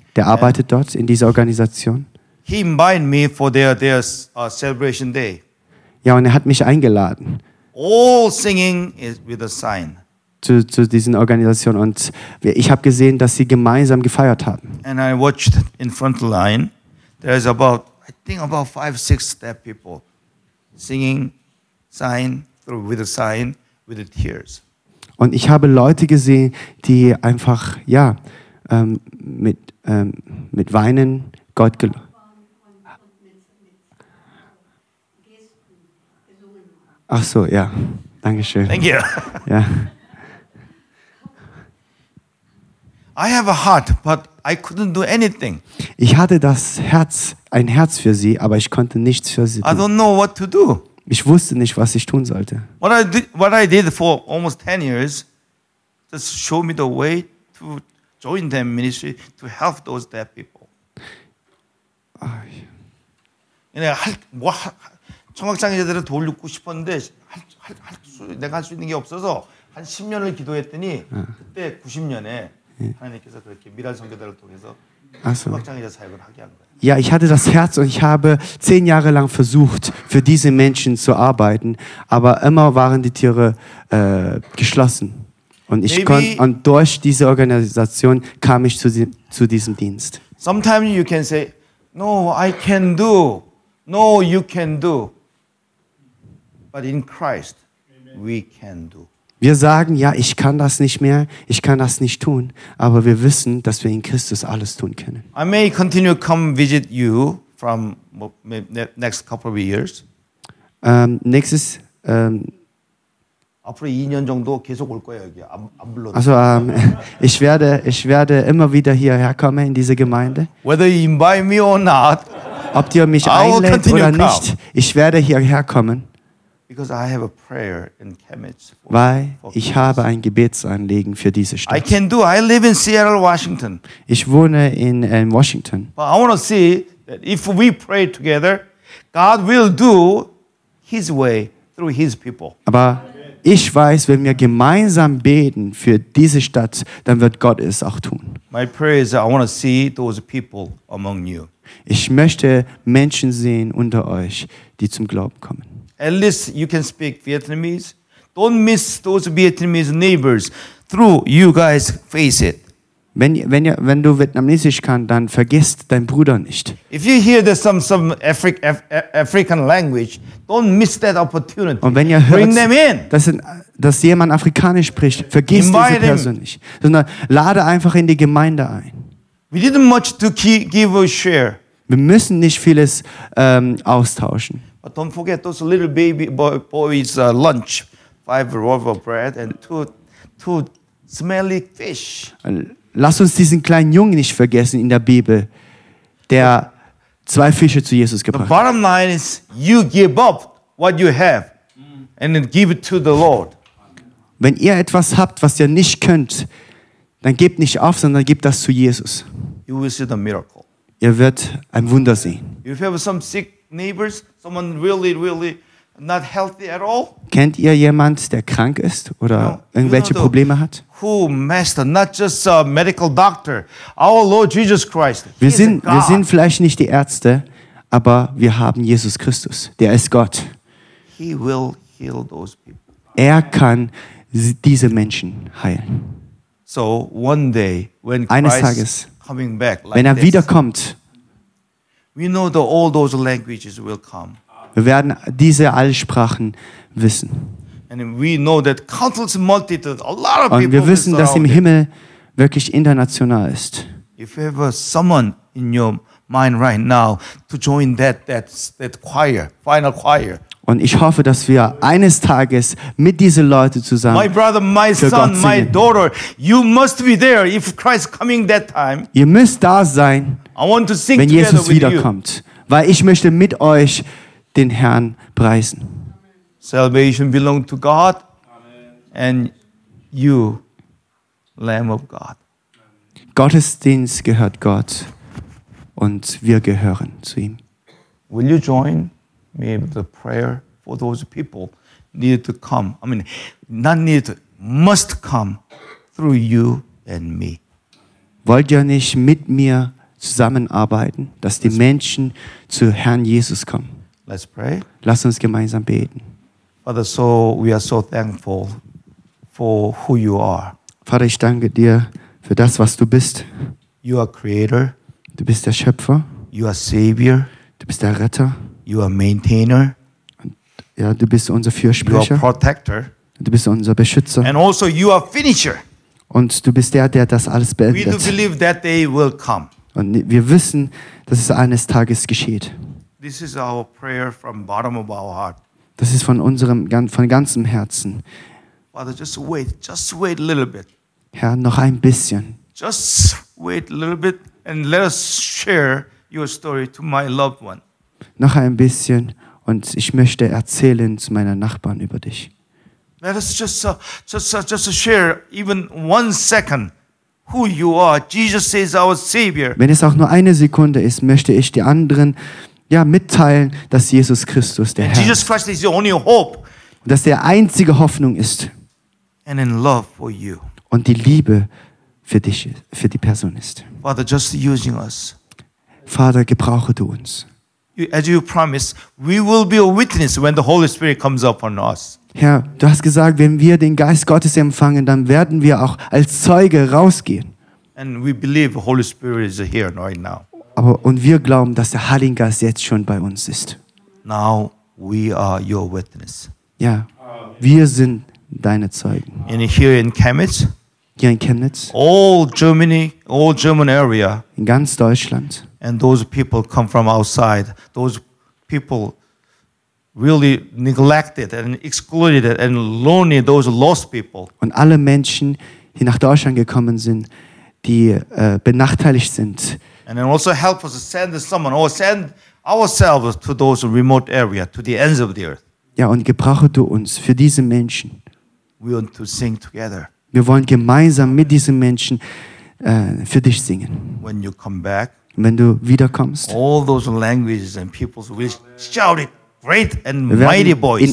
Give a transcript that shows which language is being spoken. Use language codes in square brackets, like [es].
[de] Der arbeitet and dort in dieser Organisation. [en] He invited me for their celebration day. [de] Ja, und hat mich eingeladen. [en] All singing is with a sign. [de] Zu diesen Organisationen, und ich habe gesehen, dass sie gemeinsam gefeiert haben. [en] And I watched in front line. There is about, I think about 5-6 deaf people singing sign through with a sign with the tears. [de] Und ich habe Leute gesehen, die einfach ja mit weinen Gott gelobt. Ach so, ja. Dankeschön. [en] Thank you. [de] Ja. [en] I have a heart, but I couldn't do anything. [de] Ich hatte das Herz, ein Herz für sie, aber ich konnte nichts für sie tun. [en] I don't know what to do. [de] Ich wusste nicht, was ich tun sollte. [en] What I did for almost 10 years, just show me the way to join them ministry to help those deaf people. [de] Und ich hatte, was? [ko] 청각장애자들을 도울고 싶었는데 내가 할 수 있는 게 없어서 한 10년을 기도했더니 그때 90년에 하나님께서 그렇게 미랄 선교단을 통해서 청각장애자 사역을 하게 한 거예요. [de] Ja, ich hatte das Herz und ich habe 10 Jahre lang versucht, für diese Menschen zu arbeiten, aber immer waren die Türe geschlossen. Und ich konnte, und durch diese Organisation kam ich zu diesem Dienst. [en] Sometimes you can say, no, I can do. No, you can do. But in Christ, we can do. [de] Wir sagen, ja, ich kann das nicht mehr, ich kann das nicht tun, aber wir wissen, dass wir in Christus alles tun können. [en] I may continue to come visit you from next couple of years. [de] Nächstes. [ko] 앞으로 2년 정도 계속 올 거예요 여기 안 불러. [de] Also ich werde immer wieder hierher kommen in diese Gemeinde. [en] Whether you invite me or not, [de] ob ihr mich einlädt oder nicht, ich werde hierher kommen. [en] Because I have a prayer in Chemnitz. [de] Weil ich habe ein Gebetsanliegen für diese Stadt. [en] I can do. I live in Seattle, Washington. [de] Ich wohne in Washington. [en] But I want to see that if we pray together, God will do His way through His people. [de] Aber ich weiß, wenn wir gemeinsam beten für diese Stadt, dann wird Gott es auch tun. [en] My prayer is that I want to see those people among you. [de] Ich möchte Menschen sehen unter euch, die zum Glauben kommen. [en] At least you can speak Vietnamese. Don't miss those Vietnamese neighbors through you guys face it. [de] Wenn du Vietnamesisch kannst, dann vergisst deinen Bruder nicht. [en] If you hear there's some African language, don't miss that opportunity. [de] Und wenn ihr [en] bring [de] hört, dass jemand Afrikanisch spricht, vergiss [en] Invite [de] diese Person [en] him. [de] Nicht. Sondern lade einfach in die Gemeinde ein. [en] We didn't much to give or share. [de] Wir müssen nicht vieles austauschen. [en] But don't forget those little baby boys lunch, 5 loaves of bread and 2 smelly fish. [de] Lass uns diesen kleinen Jungen nicht vergessen in der Bibel, der 2 Fische zu Jesus gebracht hat. [en] The bottom line is you give up what you have and then give it to the Lord. [de] Wenn ihr etwas habt, was ihr nicht könnt, dann gebt nicht auf, sondern gebt das zu Jesus. [en] You will see the miracle. [de] Ihr werdet ein Wunder sehen. [en] If you have some sick neighbors, someone really, really not healthy at all. [de] Kennt ihr jemand, der krank ist oder irgendwelche Probleme hat? [en] Who master, not just a medical doctor, our Lord Jesus Christ. [de] Wir sind vielleicht nicht die Ärzte, aber wir haben Jesus Christus, der ist Gott. [en] He will heal those people. [de] Er kann diese Menschen heilen. [en] So one day when [de] Christ Tages, [en] coming back, [de] like wenn er wiederkommt, [en] we know that all those languages will come. [de] Wir werden diese alle Sprachen wissen. [en] And we know that countless multitudes, a lot of people. [de] Und wir wissen, dass im Himmel wirklich international ist. [en] If you have someone in your mind right now to join that choir, final choir. [de] Und ich hoffe, dass wir eines Tages mit diesen Leuten zusammen. [en] My brother, my son, my daughter, you must be there if Christ coming that time. [de] Ihr müsst da sein. [en] I want to sing [de] wenn Jesus wiederkommt, weil ich möchte mit euch den Herrn preisen. [en] Salvation belongs to God and you, Lamb of God. [de] Gottesdienst gehört Gott und wir gehören zu ihm. [en] Will you join me in the prayer for those people need to come? I mean, not need to, must come through you and me. [de] Wollt ihr nicht mit mir zusammenarbeiten, dass die Menschen zu Herrn Jesus kommen? [en] Let's pray. [de] Lass uns gemeinsam beten. [en] Father, so we are so thankful for who you are. [de] Vater, ich danke dir für das, was du bist. [en] You are Creator. [de] Du bist der Schöpfer. [en] You are Savior. [de] Du bist der Retter. [en] You are Maintainer. [de] Ja, du bist unser Fürsprecher. [en] You are Protector. [de] Du bist unser Beschützer. [en] And also you are Finisher. [de] Und du bist der das alles beendet. [en] We do believe that day will come. [de] Und wir wissen, dass es eines Tages geschieht. [en] This is our prayer from bottom of our heart. [de] Das ist von ganzem Herzen. [en] Father, just wait a little bit. [de] Herr, noch ein bisschen. [en] Just wait a little bit and let us share your story to my loved one. [de] Noch ein bisschen und ich möchte erzählen zu meiner Nachbarn über dich. [en] Let us just share even one second. Who you are, Jesus is our Savior. [de] Wenn es auch nur eine Sekunde ist, möchte ich die anderen mitteilen, dass Jesus Christus der Herr [en] Jesus Christ is the only hope. [de] Und dass der einzige Hoffnung ist. [en] And in love for you. [de] Und die Liebe für dich, für die Person ist. [en] Father, just using us. [de] Vater, gebrauche du uns. [en] As you promised, we will be a witness when the Holy Spirit comes upon us. [de] Herr, du hast gesagt, wenn wir den Geist Gottes empfangen, dann werden wir auch als Zeuge rausgehen. [en] And we believe the Holy Spirit is here right now. [de] Aber und wir glauben, dass der Heilige Geist jetzt schon bei uns ist. [en] Now we are your witness. [de] Ja, wir sind deine Zeugen. [en] And here in Chemnitz. [de] Hier in Chemnitz. [en] All Germany, all German area. [de] In ganz Deutschland. [en] And those people come from outside. Those people really neglected and excluded and lonely, those lost people. [de] Und alle Menschen, die nach Deutschland gekommen sind, die benachteiligt sind. [en] And then also help us to send someone or send ourselves to those remote areas, to the ends of the earth. [de] Ja, und gebrauche du uns für diese Menschen. [en] We want to sing together. [de] Wir wollen gemeinsam mit diesen Menschen für dich singen. [en] When you come back, [de] wenn du wiederkommst, [en] all those languages and peoples will shout it, great and mighty voice.